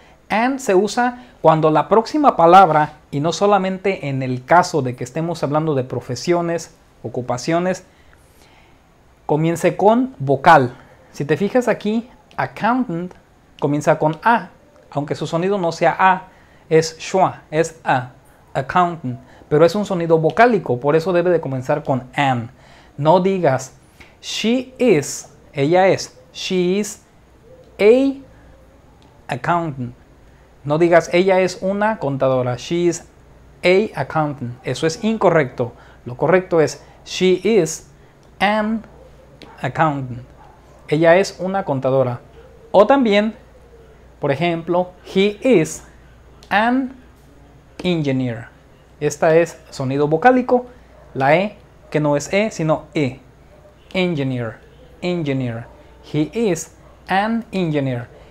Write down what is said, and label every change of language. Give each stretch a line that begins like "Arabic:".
Spanish: An se usa cuando la próxima palabra, y no solamente en el caso de que estemos hablando de profesiones, ocupaciones, comience con vocal. Si te fijas aquí, accountant comienza con a, aunque su sonido no sea a, es schwa, es a, accountant. Pero es un sonido vocálico, por eso debe de comenzar con an. No digas,
English: she is,
Spanish: ella es,
English: she is a accountant.
Spanish: No digas, ella es una contadora,
English: she is a accountant.
Spanish: Eso es incorrecto. Lo correcto es,
English: she is an accountant.
Spanish: Ella es una contadora. O también, por ejemplo,
English: he is an engineer.
Spanish: Esta es sonido vocálico, la E, que no es E, sino E.
English: Engineer, engineer. He is an engineer.